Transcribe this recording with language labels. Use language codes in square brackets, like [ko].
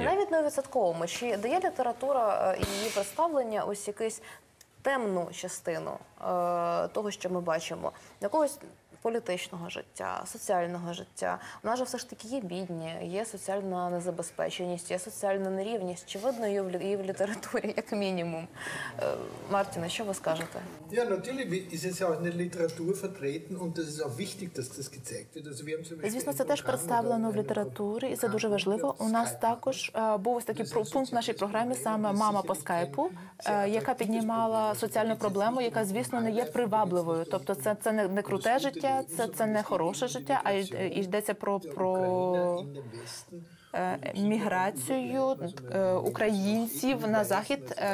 [uk] Ні, навіть не у відсотковому. Чи дає література і її представлення ось якусь темну частину того, що ми бачимо? Якогось політичного життя, соціального життя. У нас же все ж таки є бідні, є соціальна незабезпеченість, є соціальна нерівність. Чи видно її в літературі, як мінімум? Мартіне, що ви скажете? [de] Ja, natürlich ist es ja auch in der Literatur vertreten und das ist auch wichtig, dass das gezeigt wird. Also, wir haben zum Beispiel [uk] звісно, це теж представлено в літературі, і це дуже важливо. У нас також був ось такий пункт в нашій програмі, саме «Мама по скайпу», яка піднімала соціальну проблему, яка, звісно, не є привабливою. Тобто це не круте життя, це не хороше життя, а йдеться про міграцію українців на Захід.